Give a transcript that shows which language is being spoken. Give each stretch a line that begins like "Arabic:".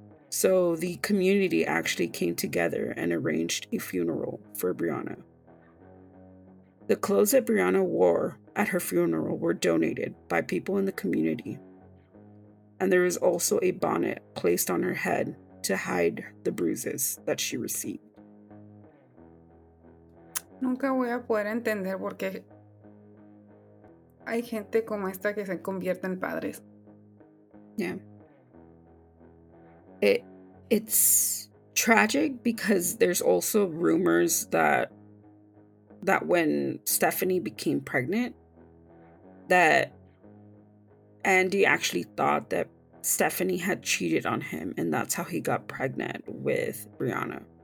English: So the community actually came together and arranged a funeral for Brianna. The clothes that Brianna wore at her funeral were donated by people in the community. And there is also a bonnet placed on her head to hide the bruises that she received.
Spanish: Nunca voy a poder entender por qué hay gente como esta que se convierte en padres.
English: Yeah. It's tragic because there's also rumors that when Stephanie became pregnant, that Andy actually thought that Stephanie had cheated on him, and that's how he got pregnant with Brianna.